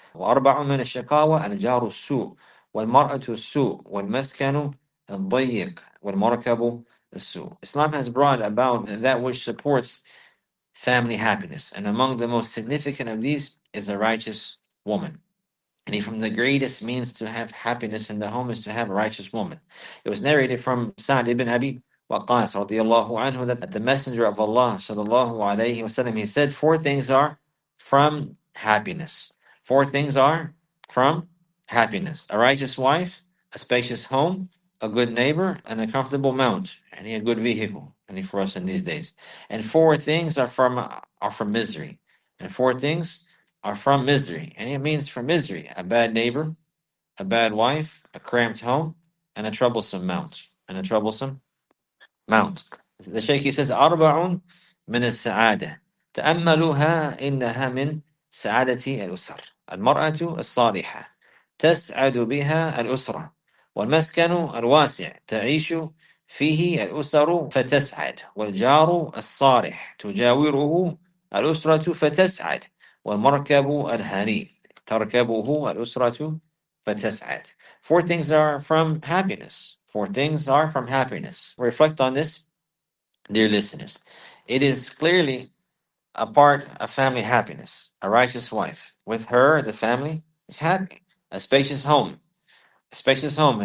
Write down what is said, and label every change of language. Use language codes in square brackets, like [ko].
[ar] وأربع من الشقاوة: الجار السوء، والمرأة السوء، والمسكن الضيق، والمركب السوء. [en] Islam has brought about that which supports family happiness, and among the most significant of these is a righteous woman. And from the greatest means to have happiness in the home is to have a righteous woman. It was narrated from Sa'd ibn Abi Waqqas radiallahu anhu that the Messenger of Allah sallallahu alayhi wasallam, he said, four things are from happiness. Four things are from happiness: a righteous wife, a spacious home, a good neighbor, and a comfortable mount, and a good vehicle, and for us in these days. And four things are from misery. And four things are from misery. And it means from misery: a bad neighbor, a bad wife, a cramped home, and a troublesome mount. And a troublesome mount. The Shaykh, he says, [ar] أربعون من السعادة تأملوها إنها من سعادة الأسر. المرأة الصالحة تسعد بها الأسرة، والمسكن الواسع تعيش فيه الأسر فتسعد، والجار الصالح تجاوره الأسرة فتسعد، وَالْمَرْكَبُ الْهَنِي تَرْكَبُهُ الْأُسْرَةُ فَتَسْعَدْ. [en] Four things are from happiness. Four things are from happiness. Reflect on this, dear listeners. It is clearly a part of family happiness. A righteous wife, with her, the family is happy. A spacious home. A spacious home.